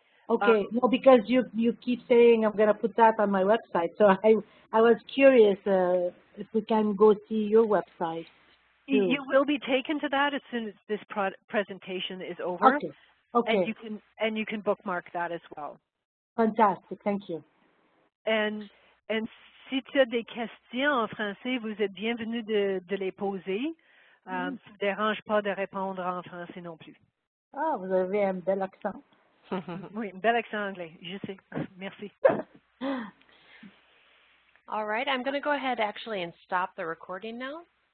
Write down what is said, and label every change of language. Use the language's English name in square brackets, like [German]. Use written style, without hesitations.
[English] Okay, no, because you keep saying I'm going to put that on my website. So I was curious if we can go see your website. Too. You will be taken to that as soon as this presentation is over. Okay. Okay. And you can bookmark that as well. Fantastic. Thank you. [French] And si tu as des questions en français, vous êtes bienvenue de les poser. Mm-hmm. Ça ne dérange pas de répondre en français non plus. Ah, vous avez un bel accent. Oui, un bel accent anglais. Je sais. Merci. [English] All right. I'm going to go ahead actually and stop the recording now.